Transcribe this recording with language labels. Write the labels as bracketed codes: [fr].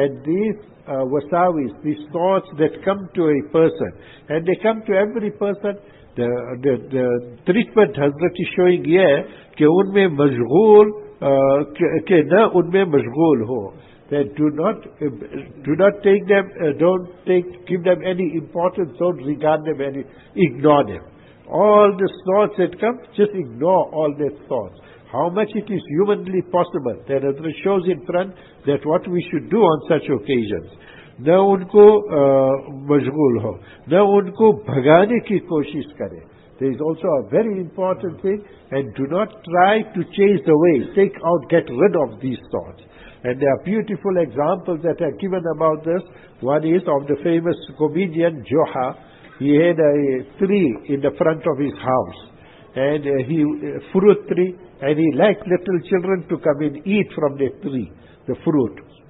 [en] And these wasawis, these thoughts that come to a person, and they come to every person, the treatment Hazrat is showing here, [ur] ke unme mashghool, ke na unme mashghool ho, [en] that don't give them any importance, don't regard them any, ignore them. All the thoughts that come, just ignore all their thoughts. How much it is humanly possible, that Hazrat shows in front that what we should do on such occasions. [ur] نہ ان کو مشغول ہو, نہ ان کو بھگانے کی کوشش کرے. [en] There is also a very important thing, and do not try to chase away, take out, get rid of these thoughts. And there are beautiful examples that are given about this. One is of the famous comedian Joha. He had a tree in the front of his house, and he fruit tree, and he liked little children to come and eat from the tree, the fruit.